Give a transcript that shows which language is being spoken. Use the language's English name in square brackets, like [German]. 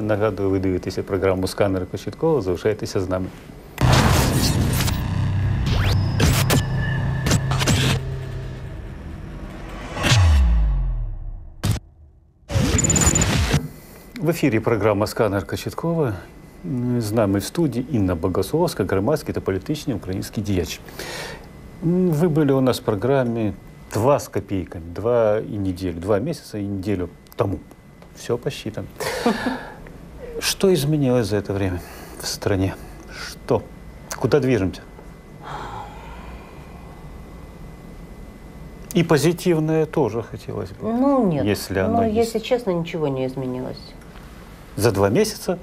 [Ukrainian] Нагадываю, вы дивитесь программу «Сканер Кочеткова». Залишайтеся с нами. [Russian] В эфире программа «Сканер Кочеткова». [Ukrainian] З нами в студії Інна Богословська, громадський та політичний український діяч. Ви були у нас в програмі два з копійками, два і неділю, два місяці і неділю тому. [Russian] Все посчитано. Что изменилось за это время в стране? Что? Куда движемся? И позитивное тоже хотелось бы. Ну, нет. Если оно есть. Если честно, ничего не изменилось. За два месяца?